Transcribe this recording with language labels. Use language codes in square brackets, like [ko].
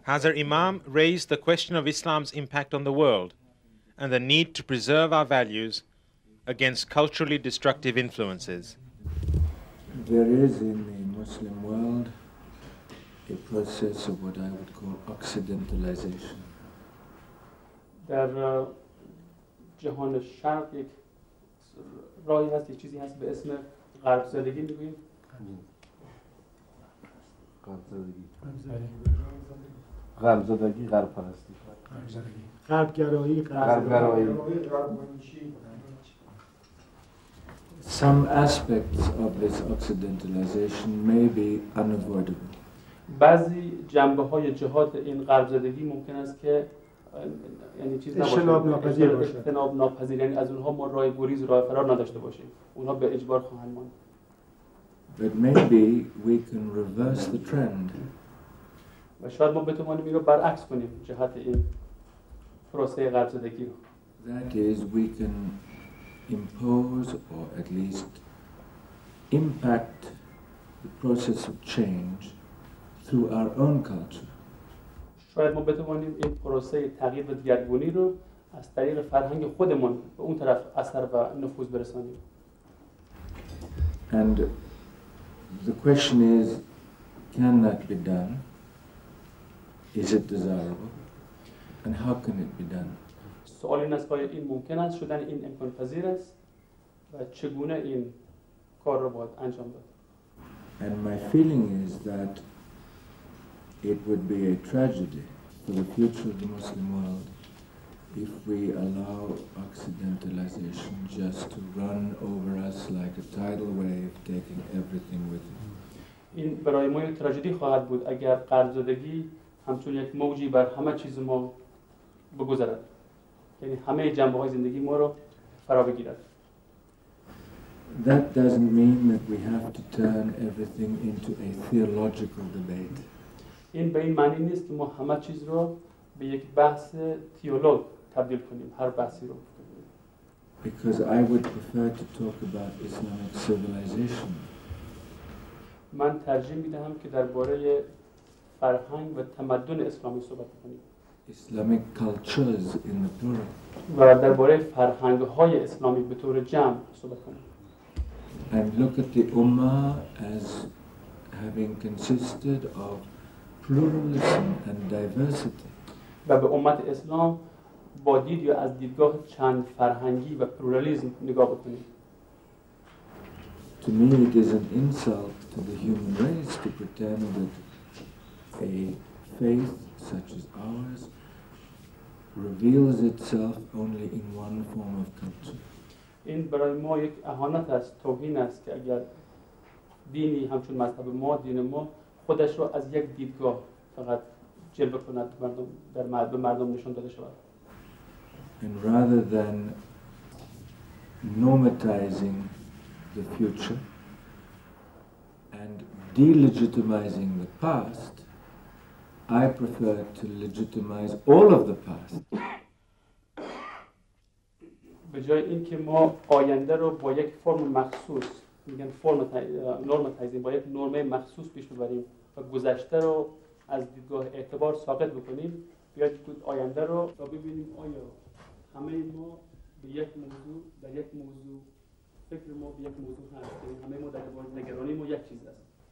[en] Hazar Imam raised the question of Islam's impact on the world and the need to preserve our values against culturally destructive influences. There is in the Muslim world a process of what I would call occidentalization. [fa] در جهان شرق یک راهی هست یک چیزی هست به اسم غرب زدگی میگوییم غرب زدگی غرب پرستی غرب گرایی غرب گرایی [en] Some aspects of this occidentalization may be unavoidable. [fa] بعضی جنبه‌های جهات این غرب‌زدگی ممکن است که یعنی چیز نباشه. اجتناب ناپذیر یعنی از اونها ما راه گریز راه فرار نداشته باشیم. اونها به اجبار خواهند ماند. [en] But maybe we can reverse the trend. [fa] و شاید ما بتوانیم این رو برعکس کنیم جهت این پروسه غرب‌زدگی رو. [en] That is, we can impose or at least impact the process of change through our own culture. [fa] شاید ما بتوانیم این پروسه تغییر و دگرگونی رو از طریق فرهنگ خودمون به اون طرف اثر و نفوذ برسانیم. [en] And the question is, can that be done? Is it desirable? And how can it be done? [fa] سوال این است که این ممکن است شدن این امکان پذیر است و چگونه این کار را باید انجام داد؟ [en] And my feeling is that it would be a tragedy for the future of the Muslim world if we allow occidentalization just to run over us like a tidal wave, taking everything with it. [fa] این برای ما تراژدی خواهد بود اگر غرب‌زدگی همچون یک موجی بر همه چیز ما بگذرد. یعنی همه جنبه‌های زندگی ما را فرا بگیرد. [en] That doesn't mean that we have to turn everything into a theological debate. [fa] این به این معنی نیست که ما همه چیز رو به یک بحث تئولوژ تبدیل کنیم، هر بحثی رو. [en] Because I would prefer to talk about Islamic civilization. [fa] من ترجیح می‌دهم که درباره فرهنگ و تمدن اسلامی صحبت کنیم. [en] Islamic cultures in the plural. [fa] و درباره فرهنگ‌های اسلامی به طور جمع صحبت کنیم. [en] And look at the Ummah as having consisted of pluralism and diversity. [fa] و به امت اسلام با دید یا از دیدگاه چند فرهنگی و پلورالیسم نگاه بکنید. [en] To me it is an insult to the human race to pretend that a faith such as ours reveals itself only in one form of culture. [fa] این برای ما یک اهانت است، توهین است که اگر دینی همچون مذهب ما، دین ما خودش رو از یک دیدگاه فقط جلوه کند مردم در مذهب مردم نشون داده شود. [en] And rather than normatizing the future and delegitimizing the past, I prefer to legitimize all of the past. [fa] به جای اینکه ما آینده رو با یک فرم مخصوص میگن فرم نورماتایزینگ با یک نرمه مخصوص پیش ببریم و گذشته رو از دیدگاه اعتبار ساقط بکنیم، بیاید بود آینده رو تا ببینیم آیا همه ما به یک موضوع در یک موضوع فکر ما به یک موضوع هست، همه ما در باید نگرانی ما یک چیز است.